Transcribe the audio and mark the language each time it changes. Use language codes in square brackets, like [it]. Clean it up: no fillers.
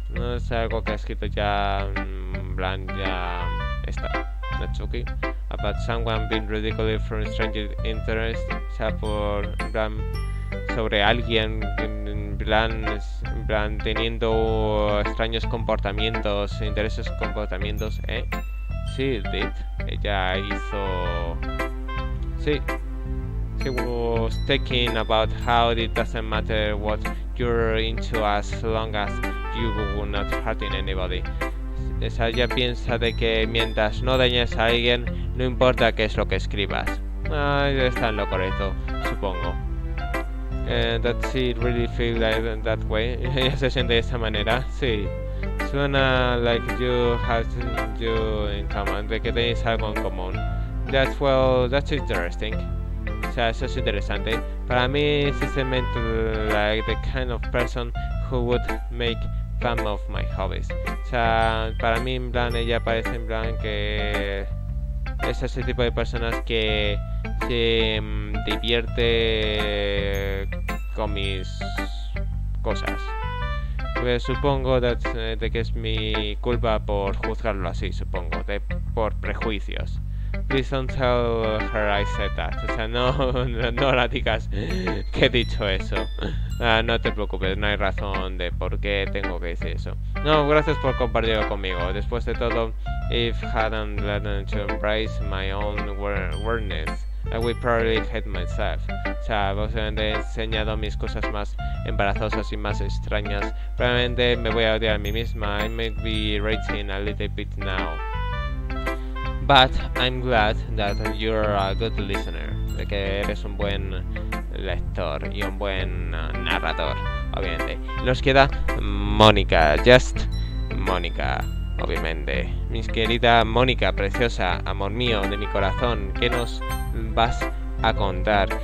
[es] No es algo que ha escrito ya Bland, ya está Natsuki. [en] About someone being ridiculed from a stranger's interest. [es] O sea, por Bland, sobre alguien Bland teniendo extraños comportamientos, intereses, comportamientos, ¿eh? Sí, did. Ella hizo [en] She was thinking about how it doesn't matter what you're into as long as you're not hurting anybody. [es] Esa ya piensa de que mientras no dañes a alguien, no importa qué es lo que escribas. Ah, está en lo correcto, supongo. [en] That she really feels like that way. [es] Ella se siente de esa manera, sí. Suena [en] like you have you in common, [es] de que tenéis algo en común. [en] That's well, that's interesting. [es] O sea, eso es interesante. Para mí, sinceramente, [en] like the kind of person who would make fun of my hobbies. [es] O sea, para mí, en plan, ella parece en plan que es ese tipo de personas que se divierte con mis cosas. Pues supongo de que es mi culpa por juzgarlo así, supongo, de por prejuicios. [en] Please don't tell her I said that. [es] O sea, no la digas que he dicho eso. No te preocupes, no hay razón de por qué tengo que decir eso. No, gracias por compartirlo conmigo. Después de todo, [en] if hadn't let him to embrace my own weirdness, I would probably hate myself. [es] O sea, básicamente he enseñado mis cosas más embarazosas y más extrañas. Probablemente me voy a odiar a mí misma. [en] I may be raging a little bit now. But I'm glad that you're a good listener. [es] De que eres un buen lector y un buen narrador, obviamente. Nos queda Mónica, [en] just Mónica, [es] obviamente. Mi querida Mónica, preciosa, amor mío, de mi corazón, ¿qué nos vas a contar?